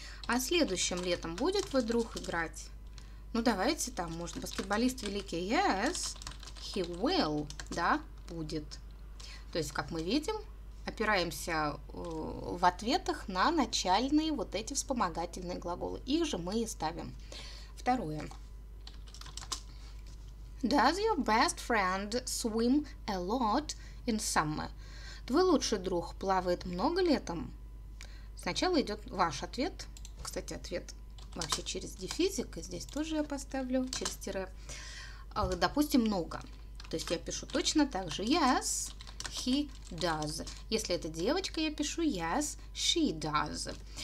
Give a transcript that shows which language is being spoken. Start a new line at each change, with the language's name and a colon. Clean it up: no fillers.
Russian: А следующим летом будет твой друг играть? Ну, давайте там, может, баскетболист великий.
English: Yes, he will.
Russian: Да, будет. То есть, как мы видим, опираемся в ответах на начальные вот эти вспомогательные глаголы. Их же мы и ставим. Второе.
English: Does your best friend swim a lot in summer?
Russian: Твой лучший друг плавает много летом? Сначала идет ваш ответ. Кстати, ответ вообще через дефизик. И здесь тоже я поставлю через тире. Допустим, много. То есть я пишу точно так же.
English: Yes, he does.
Russian: Если это девочка, я пишу
English: yes, she does.